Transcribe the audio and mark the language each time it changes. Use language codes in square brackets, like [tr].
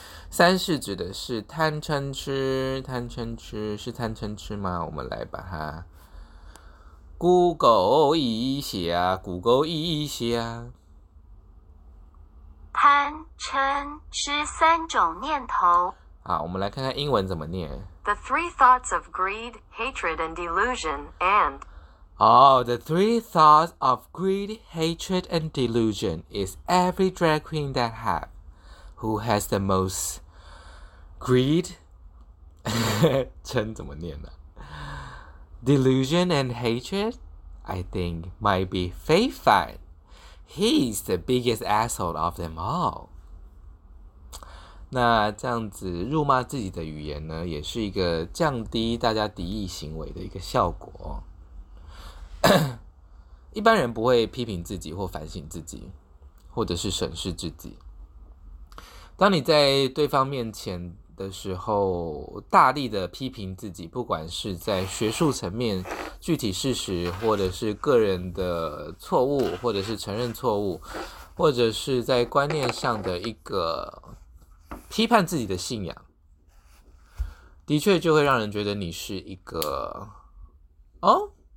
[zh] 三是指的是贪嗔痴，贪嗔痴是贪嗔痴吗？我们来把它 Google 一下，Google 一下。贪嗔痴三种念头。好，我们来看看英文怎么念。 [en] The three thoughts of greed, hatred, and delusion, and Oh, the three thoughts of greed, hatred, and delusion is every drag queen that have, who has the most greed, [zh] 真怎么念呢？ [en] Delusion and hatred, I think, might be Fei Fan. He's the biggest asshole of them all. [zh] 那这样子辱骂自己的语言呢，也是一个降低大家敌意行为的一个效果。一般人不会批评自己或反省自己，或者是审视自己。当你在对方面前的时候，大力的批评自己，不管是在学术层面具体事实，或者是个人的错误，或者是承认错误，或者是在观念上的一个批判自己的信仰，的确就会让人觉得你是一个哦。